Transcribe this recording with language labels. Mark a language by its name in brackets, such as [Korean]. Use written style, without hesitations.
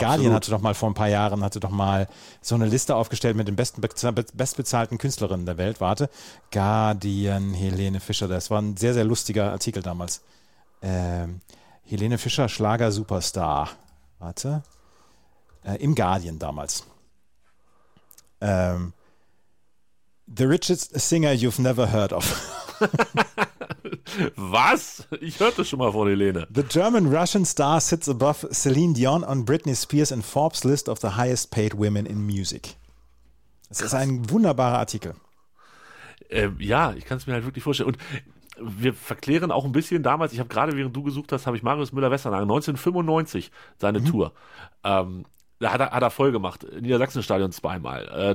[German] Guardian hatte doch mal vor ein paar Jahren so eine Liste aufgestellt mit den besten bestbezahlten Künstlerinnen der Welt. Warte, Guardian, Helene Fischer, das war ein sehr, sehr lustiger Artikel damals. Helene Fischer, Schlager-Superstar. Warte, im Guardian damals. [English] The richest singer you've never heard of. [German] Was? Ich hörte schon mal von Helene. [English] The German-Russian star sits above Celine Dion on Britney Spears in Forbes list of the highest paid women in music. [German] Das ist ein wunderbarer Artikel. Ja, ich kann es mir halt wirklich vorstellen. Und wir verklären auch ein bisschen damals, ich habe gerade, während du gesucht hast, habe ich Marius Müller-Westernhagen 1995 seine Tour. Da hat er voll gemacht. Niedersachsenstadion 2-mal.